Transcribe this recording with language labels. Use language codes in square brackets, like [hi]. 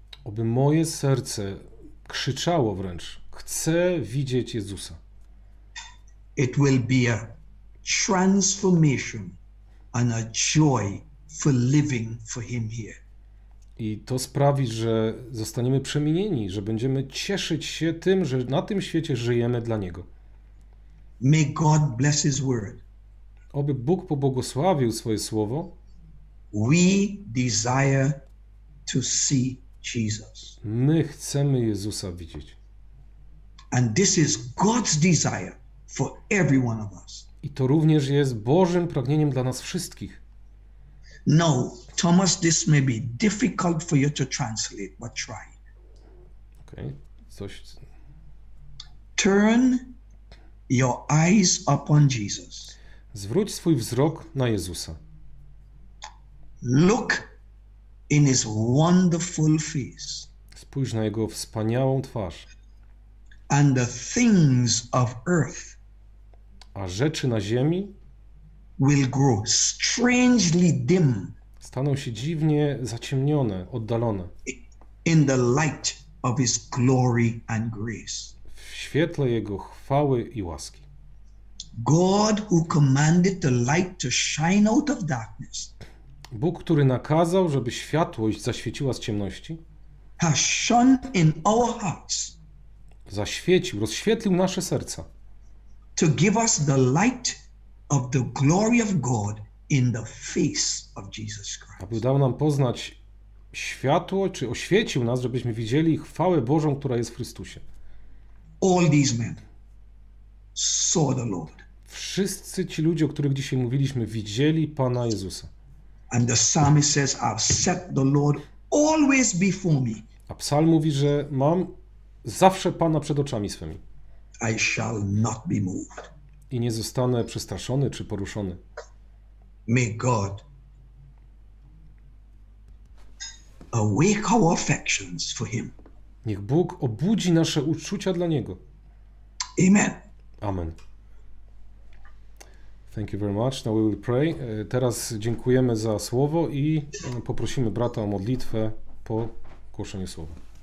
[pl] Oby moje serce krzyczało wręcz, chcę widzieć Jezusa. [en] It will be a transformation and a joy for living for him here. [pl] I to sprawi, że zostaniemy przemienieni, że będziemy cieszyć się tym, że na tym świecie żyjemy dla Niego. [en] May God bless His word. [pl] Oby Bóg pobłogosławił swoje słowo. [en] We desire to see Jesus. [pl] My chcemy Jezusa widzieć. [en] And this is God's desire for every one of us. [pl] I to również jest Bożym pragnieniem dla nas wszystkich. [en] No, Thomas, this may be difficult for you to translate, but try. [pl] Okay. Coś. [en] Turn your eyes upon Jesus. [pl] Zwróć swój wzrok na Jezusa. [en] Look in his wonderful face. [pl] Spójrz na jego wspaniałą twarz. [en] And the things of earth. [pl] A rzeczy na ziemi [en] will grow strangely dim. [pl] Staną się dziwnie zaciemnione, oddalone. [en] In the light of his glory and grace. [pl] W świetle jego chwały i łaski. [en] God who commanded the light to shine out of darkness. [pl] Bóg, który nakazał, żeby światłość zaświeciła z ciemności. [en] Has shone in our hearts. [pl] Zaświecił, rozświetlił nasze serca. [en] To give us the light of the glory of God in the face of Jesus Christ. [pl] Aby dał nam poznać światło, czy oświecił nas, żebyśmy widzieli chwałę Bożą, która jest w Chrystusie. [en] All these men saw the Lord. [pl] Wszyscy ci ludzie, o których dzisiaj mówiliśmy, widzieli Pana Jezusa. [en] And the psalmist says, I've set the Lord always before me. [pl] A psalm mówi, że mam zawsze Pana przed oczami swymi. [en] I shall not be moved. [pl] I nie zostanę przestraszony czy poruszony. [en] May God awake our affections for him. [pl] Niech Bóg obudzi nasze uczucia dla Niego. [en] Amen. [pl] Amen. [en] Thank you very much. Now we will pray. [pl] Teraz dziękujemy za słowo i poprosimy brata o modlitwę po głoszeniu słowa.